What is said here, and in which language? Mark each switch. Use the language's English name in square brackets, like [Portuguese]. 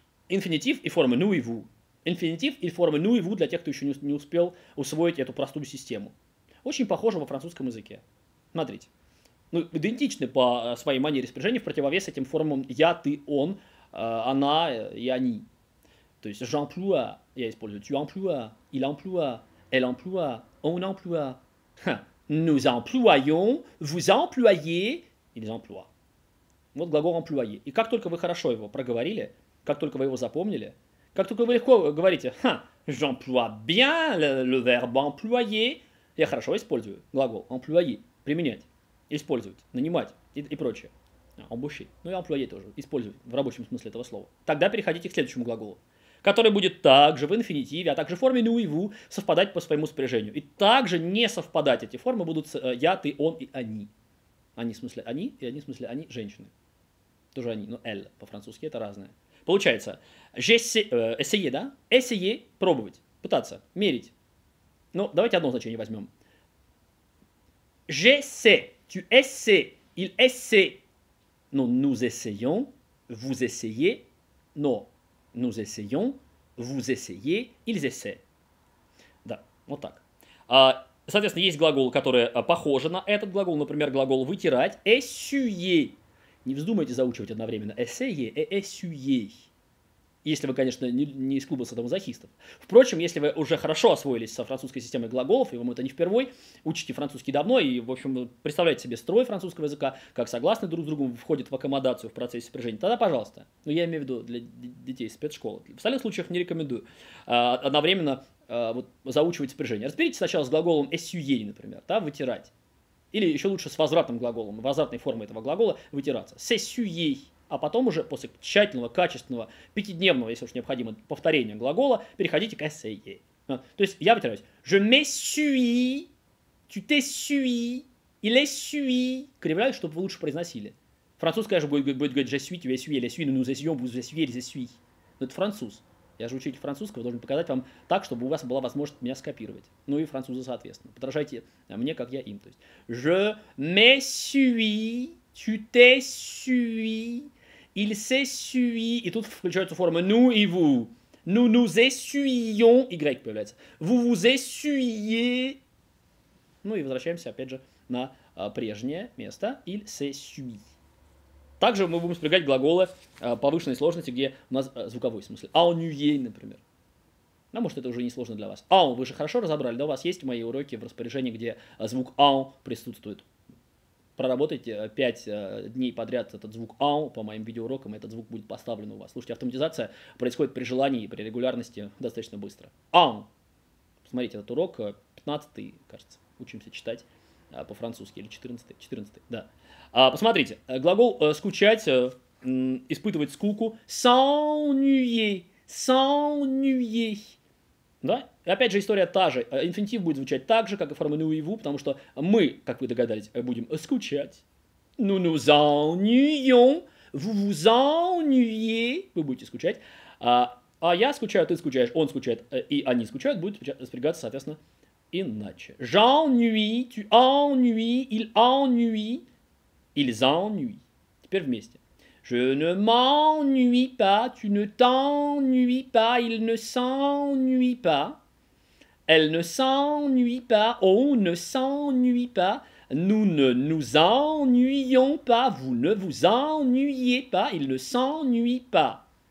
[Russian] Инфинитив и формы ну и ву. Инфинитив и формы ну и ву для тех, кто еще не успел усвоить эту простую систему. Очень похоже во французском языке. Смотрите. Ну, идентичны по своей манере спряжения в противовес этим формам я, ты, он, она и они. То есть, j'emploie, я использую. [French] Tu emploie, il emploie, elle emploie, on emploie. Nous employons, vous employez, ils emploient. [Russian] Вот глагол employer. И как только вы хорошо его проговорили, как только вы его запомнили, как только вы легко говорите, [French] j'emploie bien le verbe employer, [Russian] я хорошо использую глагол employer, применять, использовать, нанимать и прочее. [French] Embaucher. [Russian] Ну и employer тоже, использовать в рабочем смысле этого слова. Тогда переходите к следующему глаголу, который будет также в инфинитиве, а также в форме ну и ву совпадать по своему спряжению. И также не совпадать эти формы будут я, ты, он и они. Они в смысле они, и они в смысле они женщины. Тоже они, но «эль» по-французски это разное. Получается, «essayer», да? «Essayer» – пробовать, пытаться, мерить. Ну, давайте одно значение возьмем. [French] «J'essaie», «tu essaie», «il essaie». Ну, «nous essayons», «vous essayez», «но». Nous essayons, vous essayez, ils essaient. [Russian] Да, вот так. Соответственно, есть глаголы, которые похожи на этот глагол. Например, глагол вытирать. [French] Essuyer. [Russian] Не вздумайте заучивать одновременно. [French] Essayer и essuyer. [Russian] Если вы, конечно, не из клуба садомазохистов. Впрочем, если вы уже хорошо освоились со французской системой глаголов, и вам это не впервой, учите французский давно, и, в общем, представляете себе строй французского языка, как согласны друг с другом, входят в аккомодацию в процессе спряжения, тогда пожалуйста. Ну, я имею в виду для детей спецшколы. В остальных случаях не рекомендую одновременно вот, заучивать спряжение. Разберитесь сначала с глаголом essuyer, например, да, вытирать. Или еще лучше с возвратным глаголом, возвратной формой этого глагола вытираться. [French] С essuyer. [Russian] А потом уже, после тщательного, качественного, пятидневного, если уж необходимо, повторения глагола, переходите к essayer. То есть я вытираюсь. [French] Je m'essuie, tu t'essuies, il essuie. [Russian] Кривляю, чтобы вы лучше произносили. Француз, конечно, будет говорить [French] «je suis, tu essuies, il essuie, nous essuyons, vous essuyez, ils essuient». [Russian] Но это француз. Я же учитель французского, должен показать вам так, чтобы у вас была возможность меня скопировать. Ну и французы, соответственно. Подражайте мне, как я им. [French] То есть, je me suis, tu te suis, il se suit. [Russian] И тут включаются формы nous и vous. [French] Nous nous essuyons. [Russian] Y появляется. [French] Vous vous essuyez. [Russian] Ну и возвращаемся, опять же, на прежнее место. [French] Il se suit. [Russian] Также мы будем спрягать глаголы повышенной сложности, где у нас звуковой смысл. Ennuyé, например. Ну, может, это уже не сложно для вас. En, вы же хорошо разобрали, да, у вас есть мои уроки в распоряжении, где звук en присутствует. Проработайте 5 дней подряд этот звук en по моим видеоурокам, и этот звук будет поставлен у вас. Слушайте, автоматизация происходит при желании и при регулярности достаточно быстро. [French] En. [Russian] Смотрите, этот урок 15-й, кажется, учимся читать по-французски, или 14-й, 14-й, да. Посмотрите, глагол «скучать», «испытывать скуку» «s'ennuyer», «s'ennuyer», да? И опять же, история та же, инфинитив будет звучать так же, как и форма «nous et vous», потому что мы, как вы догадались, будем скучать. [French] «Nous nous ennuyons», «vous vous ennuyez», [Russian] вы будете скучать. А «я скучаю», «ты скучаешь», «он скучает» и «они скучают» будет спрягаться, соответственно, иначе. [French] «J'ennuie», «tu ennuies», «il ennuie», «ils ennuient». [Russian] Теперь вместе. [French] «Je ne m'ennuie pas», «tu ne t'ennuies pas», «il ne s'ennuie pas», «elle ne s'ennuie pas», «on ne s'ennuie pas», «nous ne nous ennuyons pas», «vous ne vous ennuyez pas», «il ne s'ennuie pas».